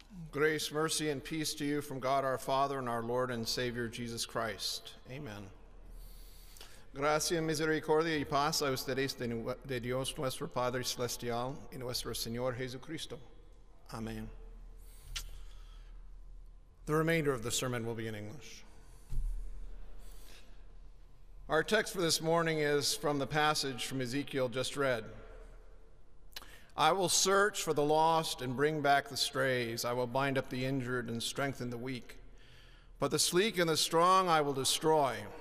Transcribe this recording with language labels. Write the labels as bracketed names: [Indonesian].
[English] Grace, mercy, and peace to you from God our Father and our Lord and Savior Jesus Christ. Amen. [Spanish] Gracia, misericordia y paz a ustedes de Dios nuestro Padre Celestial y nuestro Señor Jesucristo. Amen. [English] The remainder of the sermon will be in English. Our text for this morning is from the passage from Ezekiel just read. I will search for the lost and bring back the strays. I will bind up the injured and strengthen the weak. But the sleek and the strong I will destroy.